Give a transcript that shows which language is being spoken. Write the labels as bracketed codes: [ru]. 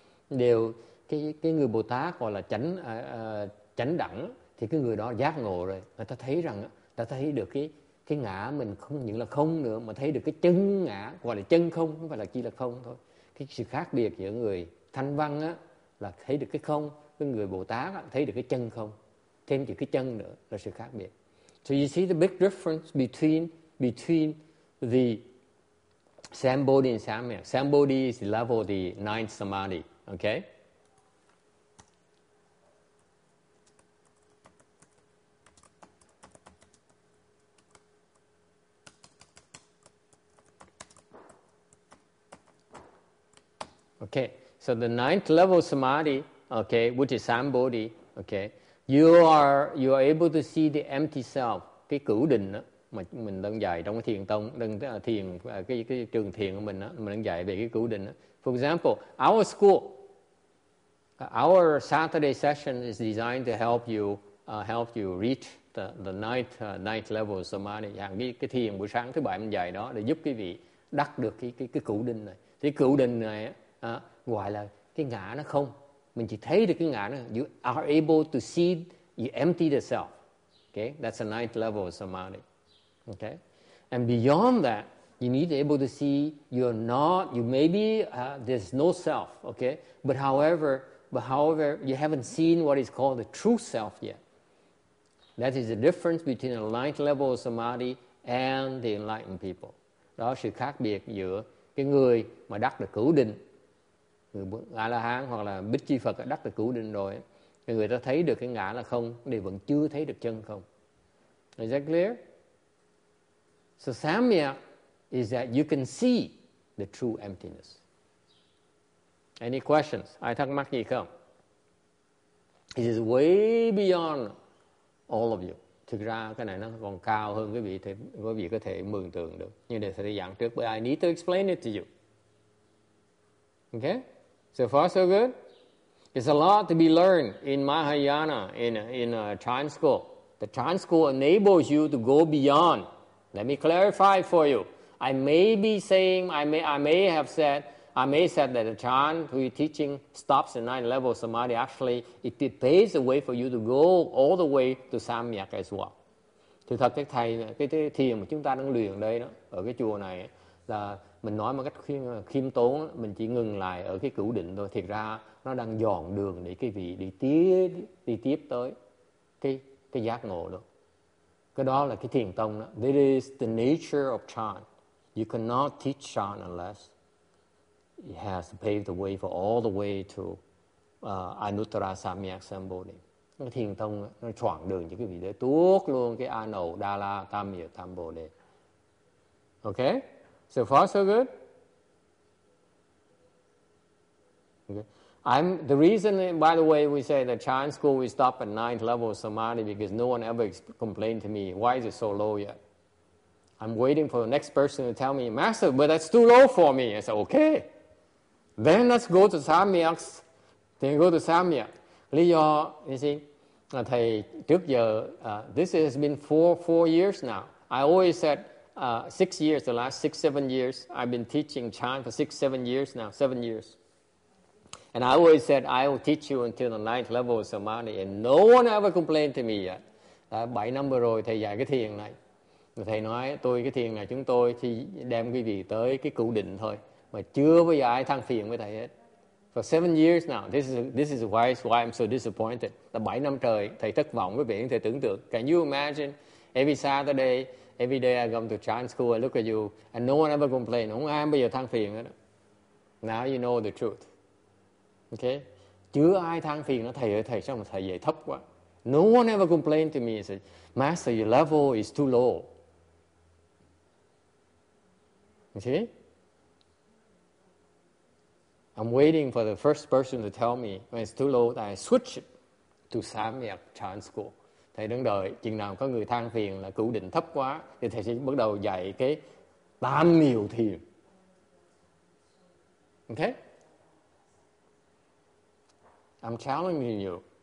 [vi] Điều cái người Bồ Tát gọi là chánh chánh đẳng thì cái người đó giác ngộ rồi, người ta thấy rằng ta thấy được cái ngã mình không những là không nữa, mà thấy được cái chân ngã, gọi là chân không, không phải là chỉ là không thôi. Cái sự khác biệt giữa người thanh văn á là thấy được cái không, cái người Bồ Tát á thấy được cái chân không, thêm chữ cái chân nữa là sự khác biệt. [en] So you see the big difference between the Sambodhi and Samya. Sambodhi is the level of the ninth samadhi, okay? Okay, so the ninth level samadhi, okay, which is Sambodhi, okay, you are able to see the empty self, [vi] cái cửu định đó, mà mình đang dạy trong cái thiền tông, đang thiền cái trường thiền của mình á, mình đang dạy về cái cửu định đó. [en] For example, our school, our Saturday session is designed to help you reach the ninth level samadhi. [vi] Hàng cái thiền buổi sáng thứ bảy mình dạy đó để giúp quý vị đắc được cái cửu định này. Thì cửu định này á, gọi là cái ngã nó không, mình chỉ thấy được cái ngã nó. [en] You are able to see, you empty the self. Okay, that's the ninth level of samadhi. Okay, and beyond that, you need to be able to see you're not, you maybe there's no self. Okay, but however, you haven't seen what is called the true self yet. That is the difference between the ninth level of samadhi and the enlightened people. [vi] Đó là sự khác biệt giữa cái người mà đắc được cửu định, người A-la-hán hoặc là Bích Chi Phật đắc được cửu định rồi, người ta thấy được cái ngã là không, thì vẫn chưa thấy được chân không. [en] Is that clear? So Samya is that you can see the true emptiness. Any questions? [vi] Ai thắc mắc gì không? [en] It is way beyond all of you. [vi] Thực ra cái này nó còn cao hơn cái vị, quý vị có thể mường tượng được. Nhưng để thầy giảng trước, [en] but I need to explain it to you. Okay? So far, so good. It's a lot to be learned in Mahayana, in a Chan school. The Chan school enables you to go beyond. Let me clarify for you. I may have said that the Chan who you're teaching stops at nine level of samadhi. Actually, it paves the way for you to go all the way to Samyak as well. [vi] Thực thật cái thầy, cái thiền mà chúng ta đang luyện đây đó, ở cái chùa này là mình nói một cách khiêm tốn, mình chỉ ngừng lại ở cái cửu định thôi. Thiệt ra nó đang dọn đường để cái vị đi tiếp tới cái giác ngộ đó. Cái đó là cái thiền tông đó. [en] That is the nature of Chan. You cannot teach Chan unless it has paved the way for all the way to Anuttara Samyak Sambodhi. [vi] Cái thiền tông đó, nó choảng đường cho cái vị đấy tuốt luôn cái Anau Dala Tamya Sambodhi. [en] Okay? So far, so good. Okay. The reason, by the way, we say the Chan school we stop at ninth level of samadhi because no one ever complained to me, why is it so low yet? I'm waiting for the next person to tell me, Master, but that's too low for me. I said, okay. Then let's go to Samyak. Then go to Samyak. [vi] Lý do, [en] you see, [vi] thầy trước giờ, [en] this has been four years now. I always said, 6 years, the last 6-7 years, I've been teaching Chan for 6-7 years now, 7 years. And I always said, I will teach you until the ninth level of samadhi, and no one ever complained to me yet. [vi] 7 năm rồi, thầy dạy cái thiền này. Thầy nói, tôi cái thiền này chúng tôi thì đem quý vị tới cái cửu định thôi, mà chưa bao giờ ai than phiền với thầy hết. [en] For 7 years now, this is why I'm so disappointed. [vi] 7 năm trời, thầy thất vọng, quý vị có thể tưởng tượng. [en] Can you imagine, every Saturday, every day I come to Chan school, I look at you, and no one ever complained. [vi] Không ai bây giờ than phiền hết. [en] Now you know the truth. Okay? [vi] Chứ ai than phiền, thầy ơi, thầy sao mà thầy dạy thấp quá. [en] No one ever complained to me. He said, Master, your level is too low. Okay? I'm waiting for the first person to tell me when it's too low, that I switch it to Samyak Chan school. [vi] Thầy đang đợi, chừng nào có người than phiền là cửu định thấp quá, thì thầy sẽ bắt đầu dạy cái tam miều thiền. [en] Okay? I'm challenging you.